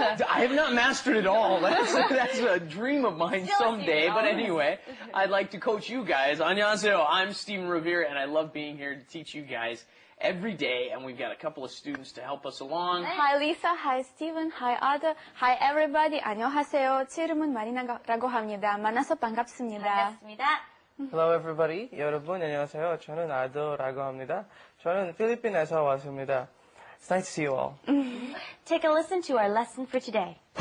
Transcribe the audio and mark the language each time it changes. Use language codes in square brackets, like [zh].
[en] I have not mastered it all. That's a dream of mine someday. But anyway, I'd like to coach you guys. [ko] 안녕하세요. [en] I'm Stephen Revere, and I love being here to teach you guys every day, and we've got a couple of students to help us along. Hi Lisa, hi Steven, hi Ada, hi everybody. [ko] 안녕하세요. 제 이름은 마리나라고 합니다. 만나서 반갑습니다. 반갑습니다. [en] Hello everybody. [ko] 여러분 안녕하세요. 저는 아도라고 합니다. 저는 필리핀에서 왔습니다. [en] It's nice to see you all. Take a listen to our lesson for today.